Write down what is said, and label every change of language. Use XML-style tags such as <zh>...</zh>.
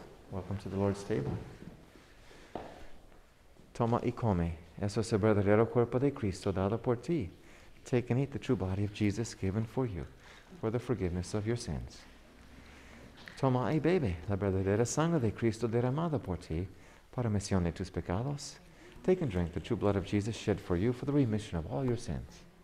<en>Welcome to the Lord's table.</en> <es>Toma y come. Eso es el verdadero cuerpo de Cristo dado por ti.</es> <en>Take and eat the true body of Jesus given for you for the forgiveness of your sins.</en> <es>Toma y bebe la verdadera sangre de Cristo derramada por ti para remisión de tus pecados.</es> <en>Take and drink the true blood of Jesus shed for you for the remission of all your sins.</en>